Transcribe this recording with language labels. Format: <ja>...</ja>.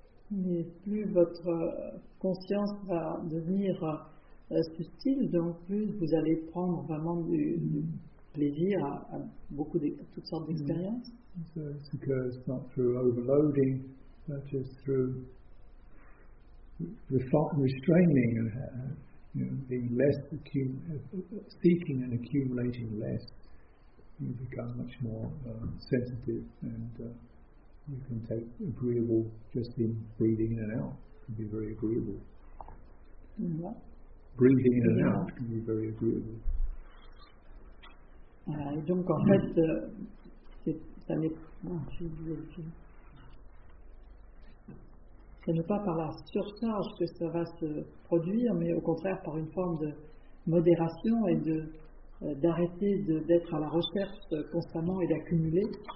<fr>Mais plus votre conscience va devenir subtile, donc plus vous allez prendre vraiment du plaisir à beaucoup de toutes sortes d'expériences.</fr> <en>So it occurs not through overloading, but just through restraining and being less seeking and accumulating less. You become much more sensitive and you can take agreeable, just in breathing in and out, can be very agreeable. What? Breathing in and out can be very agreeable.</en> <fr>Donc en fait, c'est, ça n'est. Non, je suis désolée. ce n'est pas par la surcharge que ça va se produire, mais au contraire par une forme de modération et de d'arrêter d'être à la recherche constamment et d'accumuler.</fr>